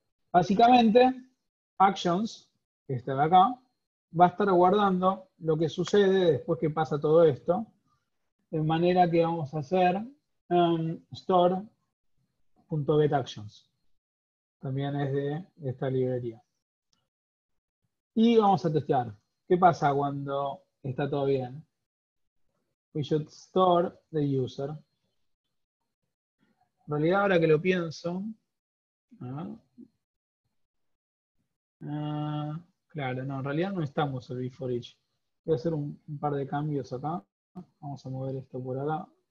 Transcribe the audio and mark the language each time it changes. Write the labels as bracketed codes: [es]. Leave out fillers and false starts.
[es] Básicamente, Actions, este de acá, va a estar guardando lo que sucede después que pasa todo esto, de manera que vamos a hacer store.getActions. También es de esta librería. Y vamos a testear. ¿Qué pasa cuando está todo bien? [en] We should store the user. [es] En realidad, ahora que lo pienso, claro, no, en realidad no estamos en before each. Voy a hacer un par de cambios acá. Vamos a mover esto por acá.